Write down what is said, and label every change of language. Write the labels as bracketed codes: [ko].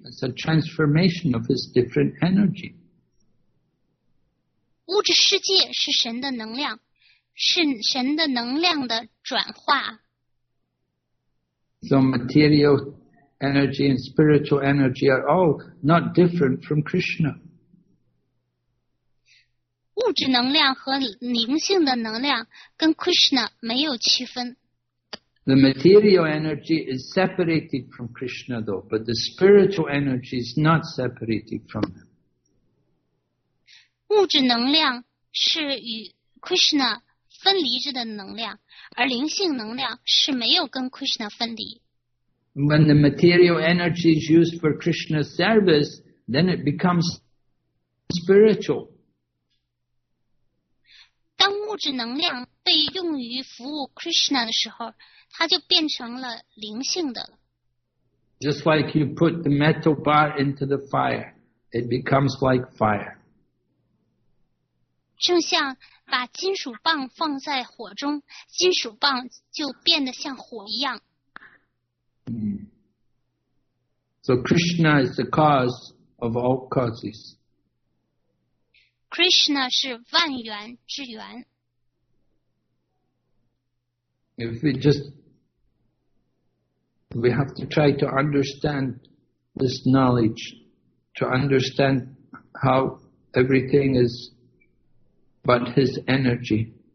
[en] It's a transformation of his different energy. [zh] 物质世界是神的能量，是神的能量的转化。 [en] So material. Energy and spiritual energy are all not different from Krishna. [zh] 物质能量和灵性的能量跟 Krishna 没有区分。 [en] The material energy is separated from Krishna, though, but the spiritual energy is not separated from him. [zh] 物质能量是与 Krishna 分离着的能量，而灵性能量是没有跟 Krishna 分离。 [en] When the material energy is used for Krishna's service, then it becomes spiritual. [zh] 当物质能量被用于服务 Krishna 的时候，它就变成了灵性的了。 [en] Just like you put the metal bar into the fire, it becomes like fire. [zh] 正像把金属棒放在火中，金属棒就变得像火一样。 [en] So Krishna is the cause of all causes. [zh] Krishna 是万源之源。 [en] If we just, we have to try to understand this knowledge, to understand how everything is but his energy.